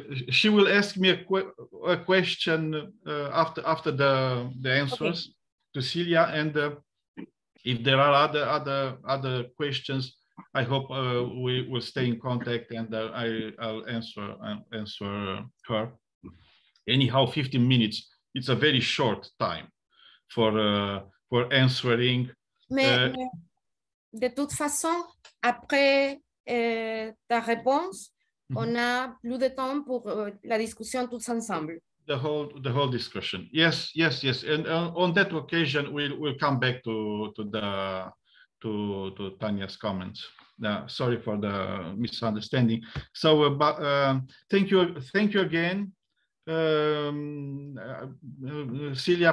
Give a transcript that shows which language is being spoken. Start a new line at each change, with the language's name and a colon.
English: She will ask me a question after the answers, okay, to Celia, and if there are other questions, I hope we will stay in contact, and I'll answer her. Anyhow, 15 minutes, it's a very short time for answering.
French: Mais de toute façon, après ta réponse, mm-hmm, on a plus de temps pour la discussion tous ensemble.
English: The whole discussion. Yes. And on that occasion, we'll come back to Tanya's comments. Sorry for the misunderstanding. So, but thank you again, Celia.